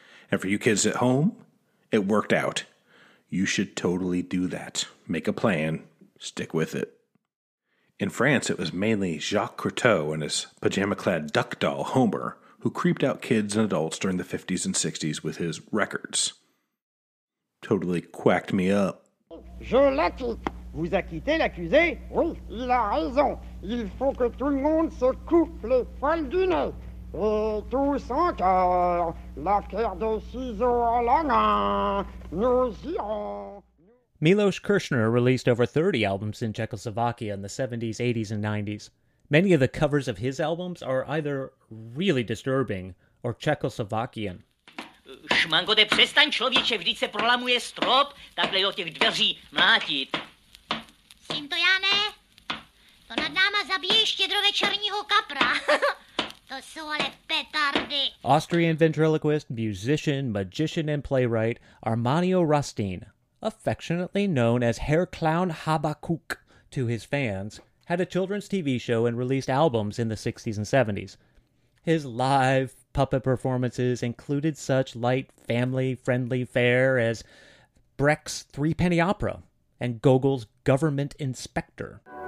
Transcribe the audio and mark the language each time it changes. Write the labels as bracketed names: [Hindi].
[English] And for you kids at home, it worked out. You should totally do that. Make a plan. Stick with it. In France, it was mainly Jacques Courteau and his pajama-clad duck doll, Homer, who creeped out kids and adults during the 50s and 60s with his records. Totally quacked me up. [French] Je l'acquitte. Vous acquittez l'accusé? Oui, il a raison. Il faut que tout le monde se coupe les poils du nez. Et tous en cœur, la guerre de ciseaux à la main, nous irons. [English] Miloš Kirchner released over 30 albums in Czechoslovakia in the 70s, 80s, and 90s. Many of the covers of his albums are either really disturbing or Czechoslovakian. [Czech] Šmangode, přestaň, člověče, vždyť se prolamuje strop, takhle jo těch dveří mlátit. S tím to já ne. To nad náma zabije štědrovečerního kapra. To jsou ale petardy. [English] Austrian ventriloquist, musician, magician, and playwright Armanio Rustin, affectionately known as Herr Clown Habakuk to his fans, had a children's TV show and released albums in the 60s and 70s. His live puppet performances included such light, family-friendly fare as Brecht's Three-Penny Opera and Gogol's Government Inspector.